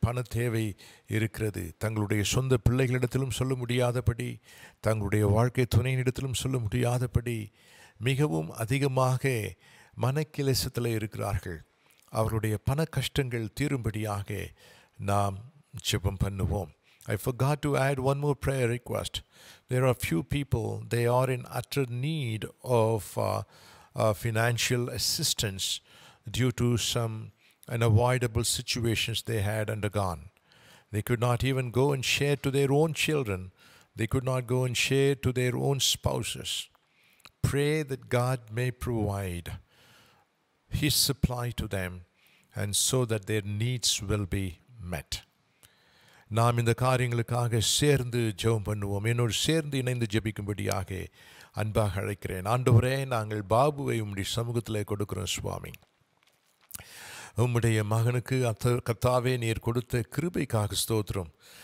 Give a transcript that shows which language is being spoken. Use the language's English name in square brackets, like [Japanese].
[Tamil] பண தேவை இருக்கிறது. தங்களுடைய சொந்த பிள்ளைகளிடத்திலும் சொல்ல முடியாதபடி, தங்களுடைய வாழ்க்கை துணையினிடத்திலும் சொல்ல முடியாதபடி மிகவும் அதிகமாக மனக்கிளேசத்தில் இருக்கிறார்கள். அவருடைய பண கஷ்டங்கள் தீரும்படியாக நாம் ஜெபம் பண்ணுவோம். [English] I forgot to add one more prayer request. There are few people, they are in utter need of financial assistance due to some unavoidable situations they had undergone. They could not even go and share to their own children. They could not go and share to their own spouses. Pray that God may provide His supply to them and so that their needs will be met. [Tamil] நாம் இந்த காரியங்களுக்காக சேர்ந்து ஜெபம் பண்ணுவோம். என்னோடு சேர்ந்து இணைந்து ஜெபிக்கும்படியாக அன்பாக அழைக்கிறேன். ஆண்டவரே, நாங்கள் பாபுவை உம்முடைய சமூகத்தில் கொடுக்கிறோம். சுவாமி, உம்முடைய மகனுக்கு கர்த்தாவே நீர் கொடுத்த கிருபைக்காக ஸ்தோத்திரம்.